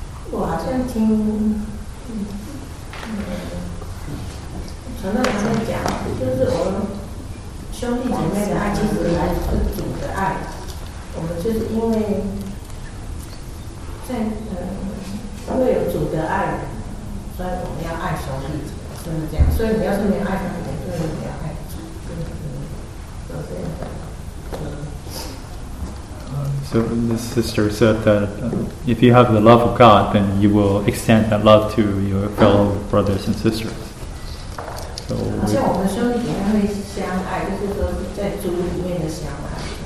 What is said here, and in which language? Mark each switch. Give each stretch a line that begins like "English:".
Chinese: 我好像听传道人在讲，就是我们兄弟姐妹的爱其实还是主的爱，我们就是因为在因为有主的爱，所以我们要爱兄弟姐妹，真的这样。所以你要是没爱兄弟姐妹，就不要爱主，都这样。
English: So the sister said that if you have the love of God, then you will extend that love to your fellow brothers and sisters.
Chinese: So 好像我们兄弟姐妹会相爱，就是说在主里面的相爱。